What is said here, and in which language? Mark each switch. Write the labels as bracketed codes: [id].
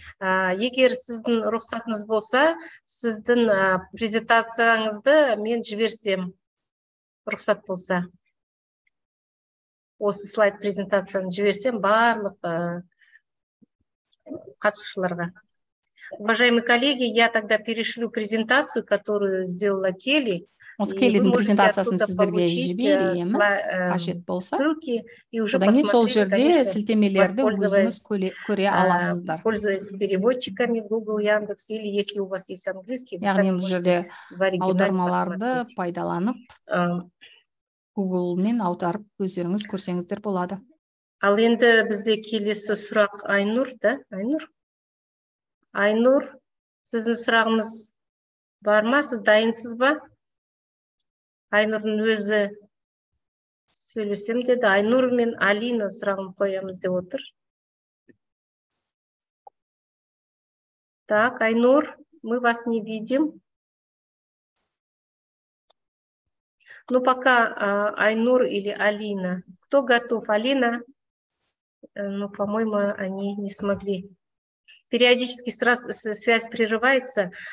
[kk] Егер сіздің рұқсатыңыз болса, сіздің презентацияңызды мен жіберсем, рұқсат болса. Осы слайд презентацияны жіберсем барлық қатысушыларға. [ru] Уважаемые коллеги, я тогда перешлю презентацию, которую сделала Келли. [kk] Келлидің презентациясын сіздерге жіберемін. Қажет болса, [ru] ссылки и уже посмотрите, [kk] сол жерде сілтемелерді өзіңіз көре аласыздар. [ru] Пользуясь переводчиками Google, Яндекс или если у вас есть английский, вы сами можете в оригинале [kk] аудармаларды пайдаланып Google-мен аударып өздеріңіз көрсеңіздер болады. Ал енді бізде келесі сұрақ Айнур, да? Айнур? Айнур, сіздің сұрағыңыз бар ма? Сіз дайынсыз ба? Айнурдың өзі сөйлесем деді. Айнур мен Алина сұрағын қоямыз деп отыр. [ru] Так, Айнур, мы вас не видим. Ну, пока Айнур или Алина. Кто готов? Алина? Ну, по-моему, они не смогли. Периодически связь прерывается.